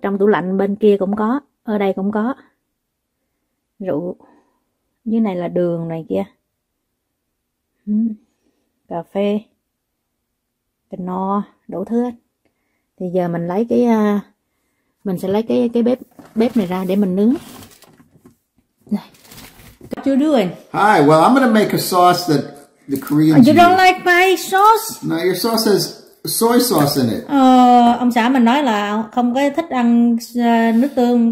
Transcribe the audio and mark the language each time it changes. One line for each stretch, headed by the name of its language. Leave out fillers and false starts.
Vietnamese: Trong tủ lạnh bên kia cũng có. Ở đây cũng có. Rượu. Dưới này là đường này kia. Cà phê. Tình no. Đủ thứ hết. Thì giờ mình lấy cái mình sẽ lấy cái bếp bếp này ra để mình nướng.
English: What are you doing? Hi, well, I'm going to make a sauce that the Koreans You don't like my sauce? No, your sauce has soy sauce in it.
Vietnamese: Ông xã mình nói là không có thích ăn nước tương